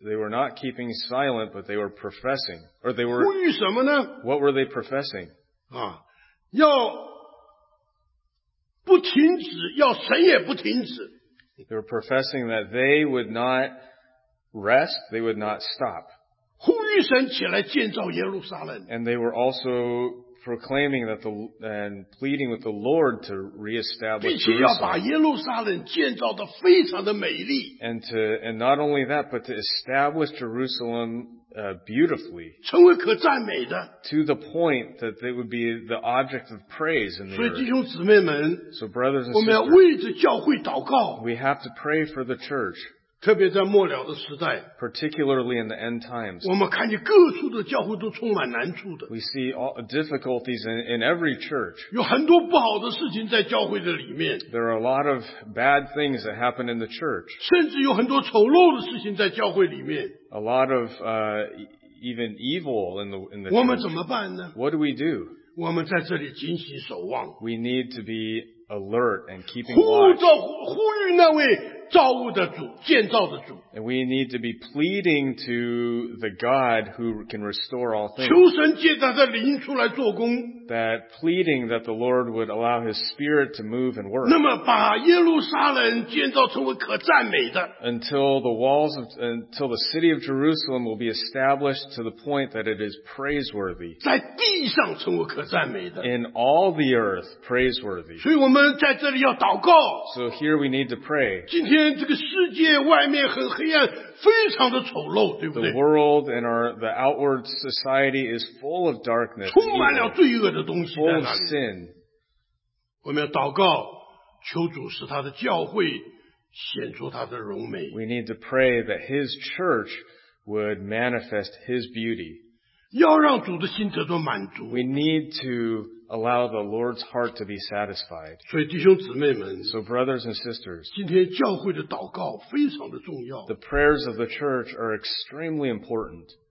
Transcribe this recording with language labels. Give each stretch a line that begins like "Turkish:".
English: They were not keeping silent, but they were professing. Or they were.
Chinese: 呼吁什么呢?
English: What were they professing?
Chinese: 要不停止，要谁也不停止。
English: They were professing that they would not rest, they would not stop.
Chinese: 呼吁神起来建造耶路撒冷。
English: And they were also proclaiming that and pleading with the Lord to reestablish Jerusalem.
Chinese: 并且要把耶路撒冷建造得非常的美丽。
English: And not only that, but to establish Jerusalem beautifully.
Chinese: 成为可赞美的。
English: To the point that they would be the object of praise in the earth.
Chinese: 所以弟兄姊妹们,
English: so brothers and sisters,
Chinese: 我们要为着教会祷告。
English: We have to pray for the church.
Chinese: 特别在末了的时代,
English: particularly in the end times,
Chinese: 我们看见各处的教会都充满难处的。
English: We see all difficulties in every church.
Chinese: 有很多不好的事情在教会的里面。
English: There are a lot of bad things that happen in the church.
Chinese: 甚至有很多丑陋的事情在教会里面。
English: A lot of even evil in the church.
Chinese: 我们怎么办呢?
English: What do we do?
Chinese: 我们在这里警醒守望。
English: We need to be alert and keeping watch.
Chinese: 造物的主,
English: and we need to be pleading to the God who can restore all things.
Chinese: 求神借着他的灵出来做工,
English: that pleading that the Lord would allow his spirit to move and work.
Chinese: 那么把耶路撒冷建造成为可赞美的,
English: until the city of Jerusalem will be established to the point that it is praiseworthy.
Chinese: 在地上成为可赞美的,
English: in all the earth, praiseworthy.
Chinese: 所以我们在这里要祷告,
English: so here we need to pray.
Chinese: 今天这个世界外面很黑暗, 非常的丑陋，对不对？
English: The world and the outward society is full of darkness.
Chinese: 充满了罪恶的东西在那里。
English: Full of sin.
Chinese: 我们要祷告，求主使他的教会显出他的荣美。
English: We need to pray that His church would manifest His beauty.
Chinese: 要让主的心得到满足。
English: We need to allow the Lord's heart to be satisfied.
Chinese: 所以弟兄姊妹们，
English: So brothers and sisters,
Chinese: 今天教会的祷告非常的重要。
English: The prayers of the church are extremely important.